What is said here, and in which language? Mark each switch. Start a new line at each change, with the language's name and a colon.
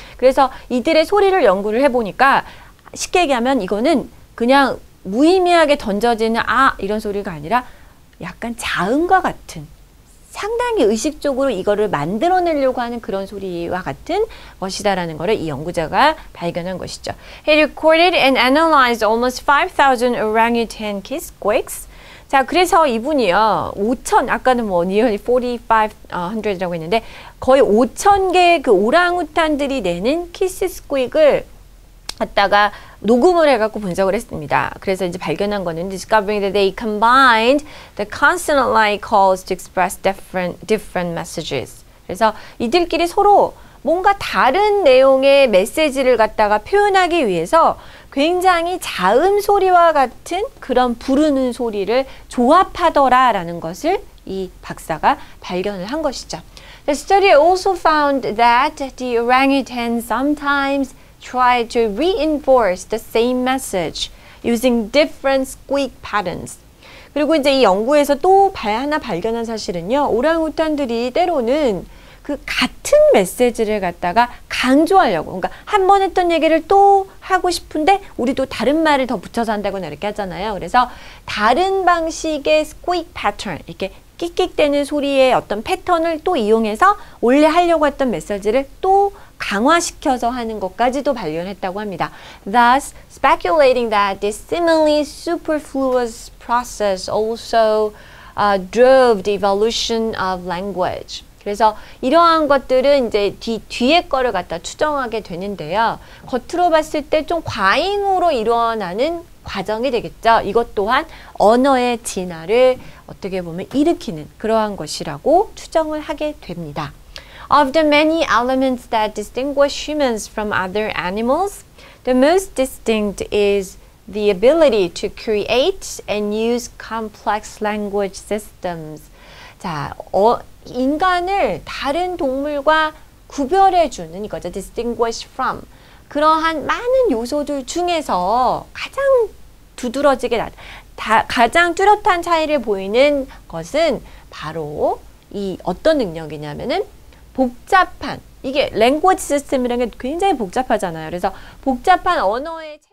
Korean: 그래서 이들의 소리를 연구를 해보니까 쉽게 얘기하면 이거는 그냥 무의미하게 던져지는 아 이런 소리가 아니라 약간 자음과 같은 상당히 의식적으로 이거를 만들어내려고 하는 그런 소리와 같은 것이다라는 것을 이 연구자가 발견한 것이죠.
English: He recorded and analyzed almost 5,000 orangutan kiss squeaks.
Korean: 자, 그래서 이분이요, 5,000, 아까는 뭐 nearly 4,500이라고 했는데 거의 5,000개의 그 오랑우탄들이 내는 키스 스퀵을 갖다가 녹음을 해갖고 분석을 했습니다. 그래서 이제 발견한 거는
English: discovering that they combined the consonant-like calls to express different messages.
Korean: 그래서 이들끼리 서로 뭔가 다른 내용의 메시지를 갖다가 표현하기 위해서 굉장히 자음 소리와 같은 그런 부르는 소리를 조합하더라라는 것을 이 박사가 발견을 한 것이죠.
English: The study also found that the orangutan sometimes try to reinforce the same message using different squeak patterns.
Korean: 그리고 이제 이 연구에서 또 하나 발견한 사실은요. 오랑우탄들이 때로는 그 같은 메시지를 갖다가 강조하려고 그러니까 한 번 했던 얘기를 또 하고 싶은데 우리도 다른 말을 더 붙여서 한다거나 이렇게 하잖아요. 그래서 다른 방식의 squeak pattern 이렇게 끽끽대는 소리의 어떤 패턴을 또 이용해서 원래 하려고 했던 메시지를 또 강화시켜서 하는 것까지도 발견했다고 합니다.
English: Thus, speculating that this seemingly superfluous process also drove the evolution of language.
Korean: 그래서 이러한 것들은 이제 뒤에 거를 갖다 추정하게 되는데요. 겉으로 봤을 때 좀 과잉으로 일어나는 과정이 되겠죠. 이것 또한 언어의 진화를 어떻게 보면 일으키는 그러한 것이라고 추정을 하게 됩니다.
English: Of the many elements that distinguish humans from other animals, the most distinct is the ability to create and use complex language systems.
Korean: 자, 인간을 다른 동물과 구별해 주는 이거죠.
English: distinguish from.
Korean: 그러한 많은 요소들 중에서 가장 두드러지게 가장 뚜렷한 차이를 보이는 것은 바로 이 어떤 능력이냐면은 복잡한 이게 language system이라는 게 굉장히 복잡하잖아요. 그래서 복잡한 언어의